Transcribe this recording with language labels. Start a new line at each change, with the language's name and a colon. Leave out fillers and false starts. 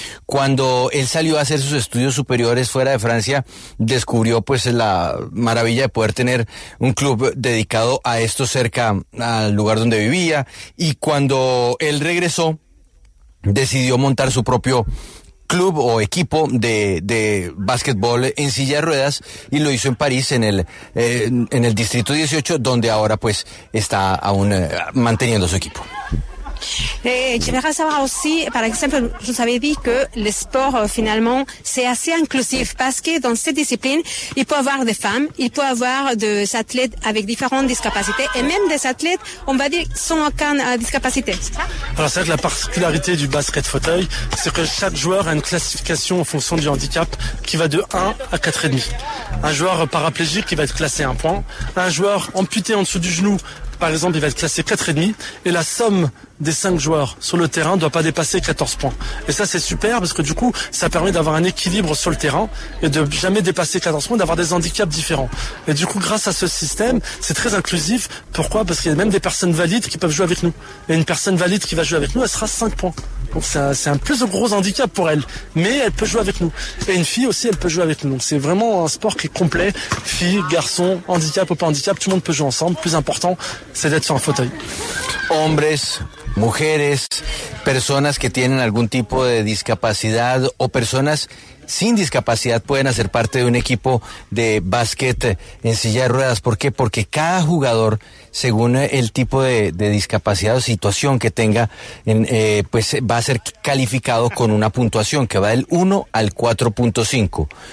Spanish: Cuando él salió a hacer sus estudios superiores fuera de Francia, descubrió pues la maravilla de poder tener un club dedicado a esto cerca al lugar donde vivía, y cuando él regresó decidió montar su propio club o equipo de básquetbol en silla de ruedas, y lo hizo en París, en el distrito 18, donde ahora pues está aún manteniendo su equipo.
French: J'aimerais savoir aussi, par exemple, je vous avais dit que le sport, finalement, c'est assez inclusif parce que dans cette discipline, il peut avoir des femmes, il peut avoir des athlètes avec différentes discapacités et même des athlètes, on va dire, sans aucune discapacité. Alors, c'est vrai que la particularité du basket fauteuil, c'est que chaque joueur a une classification en fonction du handicap qui va de 1 à 4,5. Un joueur paraplégique qui va être classé 1 point, un joueur amputé en dessous du genou, par exemple, il va être classé 4,5, et la somme des 5 joueurs sur le terrain ne doit pas dépasser 14 points. Et ça, c'est super, parce que du coup, ça permet d'avoir un équilibre sur le terrain et de jamais dépasser 14 points, d'avoir des handicaps différents. Et du coup, grâce à ce système, c'est très inclusif. Pourquoi ? Parce qu'il y a même des personnes valides qui peuvent jouer avec nous. Et une personne valide qui va jouer avec nous, elle sera 5 points. Donc c'est un plus gros handicap pour elle, mais elle peut jouer avec nous. Et une fille aussi, elle peut jouer avec nous. Donc c'est vraiment un sport qui est complet, fille, garçon, handicap ou pas handicap, tout le monde peut jouer ensemble. Plus important, c'est d'être sur un fauteuil.
Spanish: Hombres, mujeres, personas que tienen algún tipo de discapacidad o personas sin discapacidad pueden hacer parte de un equipo de básquet en silla de ruedas. ¿Por qué? Porque cada jugador, según el tipo de discapacidad o situación que tenga, pues va a ser calificado con una puntuación que va del 1 al 4.5.